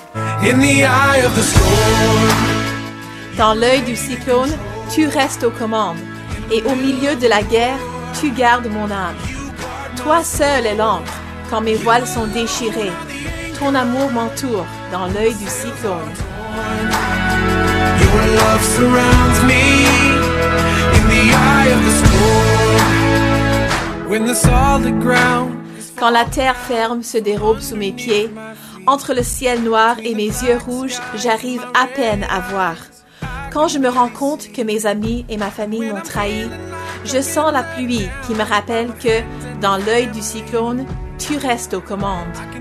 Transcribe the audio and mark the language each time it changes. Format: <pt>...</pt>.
<en>In the eye of the storm.</en> <fr>Dans l'œil du cyclone, tu restes aux commandes, et au milieu de la guerre, tu gardes mon âme. Toi seul est l'ancre, quand mes voiles sont déchirées. Ton amour m'entoure dans l'œil du cyclone.</fr> <en>Your love surrounds me in the eye of the storm. When the solid ground.</en> <fr>Quand la terre ferme se dérobe sous mes pieds, entre le ciel noir et mes yeux rouges, j'arrive à peine à voir. Quand je me rends compte que mes amis et ma famille m'ont trahi, je sens la pluie qui me rappelle que, dans l'œil du cyclone, tu restes aux commandes.</fr>